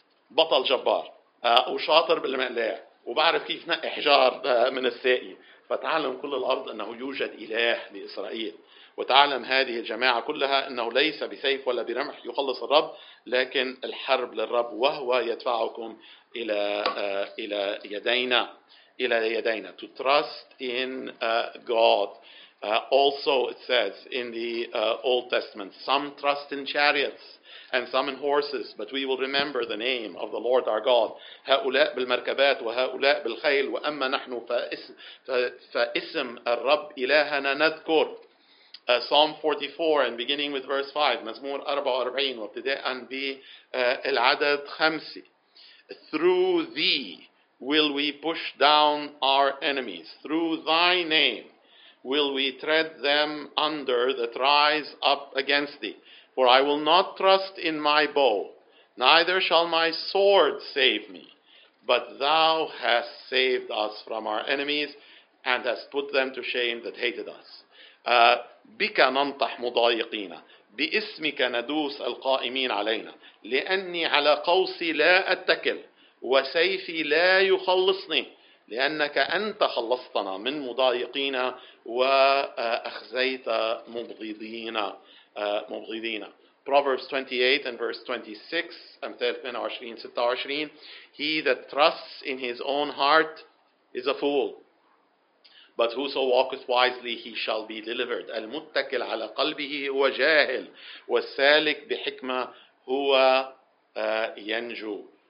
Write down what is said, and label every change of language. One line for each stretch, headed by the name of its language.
Arabic: بطل جبار وشاطر بالمقلاع وبعرف كيف نقي حجار من السائي فتعلم كل الارض انه يوجد اله لاسرائيل وتعلم هذه الجماعة كلها أنه ليس بسيف ولا برمح يخلص الرب لكن الحرب للرب وهو يدفعكم إلى إلى يدينا
English: To trust in God Also, it says in the Old Testament, some trust in chariots and some in horses, but we will remember the name of the Lord our God.
Arabic: هؤلاء بالمركبات وهؤلاء بالخيل وأما نحن فاسم الرب إلهنا نذكر.
English: Psalm 44 and beginning with verse 5.
Arabic: مزمور 44 وابتداء بالعدد 5.
English: Through thee will we push down our enemies. Through thy name will we tread them under that rise up against thee. For I will not trust in my bow, neither shall my sword save me. But thou hast saved us from our enemies and hast put them to shame that hated us.
Arabic: بك ننطح مضايقين باسمك ندوس القائمين علينا لأني على قوسي لا أتكل وسيفي لا يخلصني لأنك أنت خلصتنا من مضايقين وأخزيت مبغضين مبغضين.
English: Proverbs 28 and verse 26,
Arabic: أمثال 22:26.
English: He that trusts in his own heart is a fool, but whoso walketh wisely, he shall be delivered.
Arabic: المتكل على قلبه هو جاهل والسالك بحكمة هو ينجو.